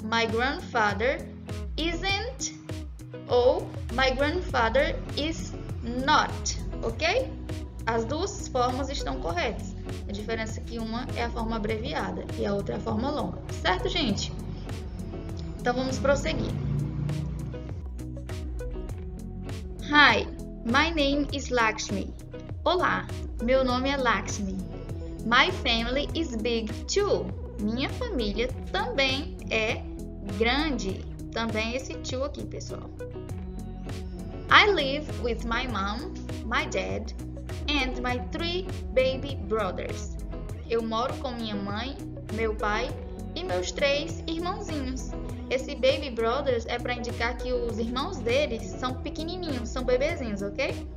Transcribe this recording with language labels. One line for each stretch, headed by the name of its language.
English: My grandfather isn't ou my grandfather is not.
Portuguese: Ok? As duas formas estão corretas. A diferença é que uma é a forma abreviada e a outra é a forma longa. Certo, gente? Então vamos prosseguir.
English: Hi, my name is Lakshmi.
Portuguese: Olá, meu nome é Lakshmi.
English: My family is big too.
Portuguese: Minha família também é grande. Também esse too aqui, pessoal.
English: I live with my mom, my dad, and my three baby brothers.
Portuguese: Eu moro com minha mãe, meu pai e meus três irmãozinhos. Esse
English: baby brothers
Portuguese: é para indicar que os irmãos deles são pequenininhos, são bebezinhos, ok?